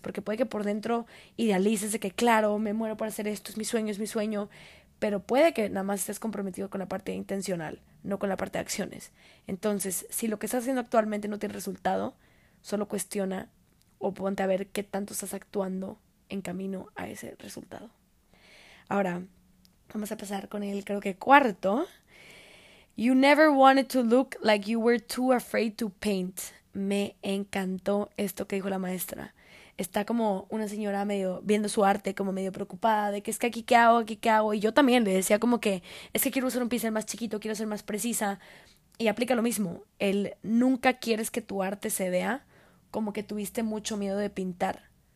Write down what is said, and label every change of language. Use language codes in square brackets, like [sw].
[es] Porque puede que por dentro idealices de que, claro, me muero por hacer esto, es mi sueño, pero puede que nada más estés comprometido con la parte intencional, no con la parte de acciones. Entonces, si lo que estás haciendo actualmente no tiene resultado, solo cuestiona o ponte a ver qué tanto estás actuando en camino a ese resultado. Ahora, vamos a pasar con el creo que cuarto. [en] You never wanted to look like you were too afraid to paint. [es] Me encantó esto que dijo la maestra. Está como una señora medio viendo su arte, como medio preocupada de que es que aquí qué hago, aquí qué hago. Y yo también le decía como que es que quiero usar un pincel más chiquito, quiero ser más precisa. Y aplica lo mismo. El nunca quieres que tu arte se vea como que tuviste mucho miedo de pintar.